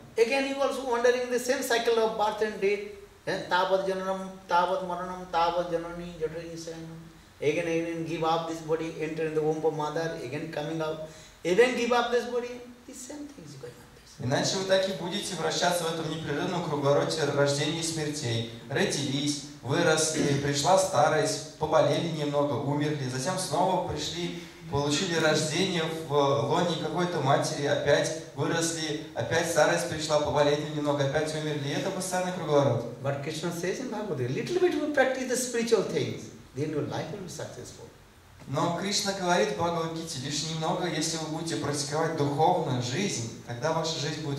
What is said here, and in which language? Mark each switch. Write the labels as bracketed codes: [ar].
[en] Again, he was wondering the same cycle of birth and death. [sa] Tavat janam, tavat maranam, tavat janani, jatrani saranam. [en] Again, give up this body, enter in the womb of mother, again coming out. Again, give up this body. The same thing is going on. [ru] Иначе вы так и будете вращаться в этом непрерывном круговороте рождений и смертей. Родились, выросли, пришла старость, поболели немного, умерли. Затем снова пришли, получили рождение в лоне какой-то матери, опять выросли, опять старость пришла, поболели немного, опять умерли. И это постоянный круговорот. [en] But Krishna says in Bhagavad Gita, little bit will practice the spiritual things, then your life will be successful. [ru] Но Кришна говорит в Бхагавад-гите, лишь немного, если вы будете практиковать духовную жизнь, тогда ваша жизнь будет